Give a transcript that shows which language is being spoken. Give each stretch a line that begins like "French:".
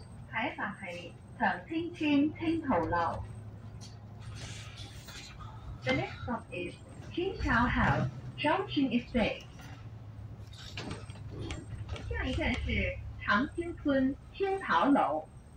Chinese: 下一站是长青村青浦楼。
English: The next stop is Qingqiao House, Chongqing Estate.
Chinese: 下一站是长青村青浦楼。